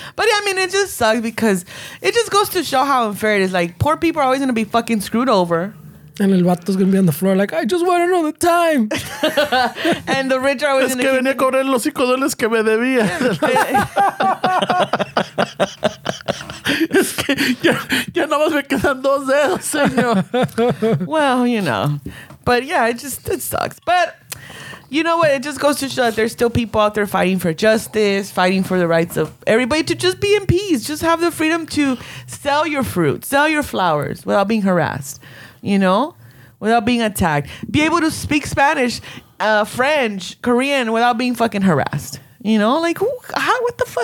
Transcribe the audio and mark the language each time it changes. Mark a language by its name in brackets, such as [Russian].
[English] But yeah, I mean, it just sucks because it just goes to show how unfair it is. Like, poor people are always going to be fucking screwed over. And el vato's going to be on the floor like, I just want to know the time. And the rich are always going to be... [Spanish] Es que venía a cobrar los $5 que me debía. Es que ya nada más me quedan dos dedos, señor. [English] Well, you know. But yeah, it sucks. But... You know what? It just goes to show that there's still people out there fighting for justice, fighting for the rights of everybody to just be in peace, just have the freedom to sell your fruit, sell your flowers without being harassed, you know, without being attacked, be able to speak Spanish, French, Korean without being fucking harassed, you know, like, what the fuck?